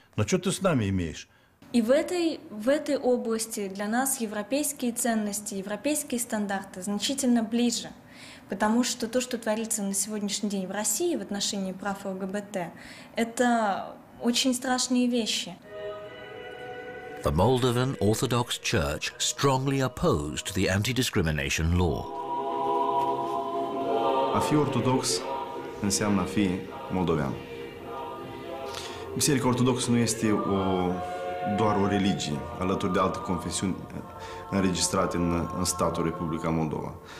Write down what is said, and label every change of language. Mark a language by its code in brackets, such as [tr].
[ru] Но что ты с нами имеешь? И в этой области для нас европейские ценности, европейские стандарты значительно ближе. Потому что то, что творится на сегодняшний день в России в отношении прав ЛГБТ, это очень страшные вещи. [en] The Moldovan Orthodox Church strongly opposed the anti-discrimination law. [ro] A fi ortodox înseamnă a fi moldovean. Biserica ortodoxă nu este doar o religie, alături de alte confesiuni înregistrate în statul Republica Moldova.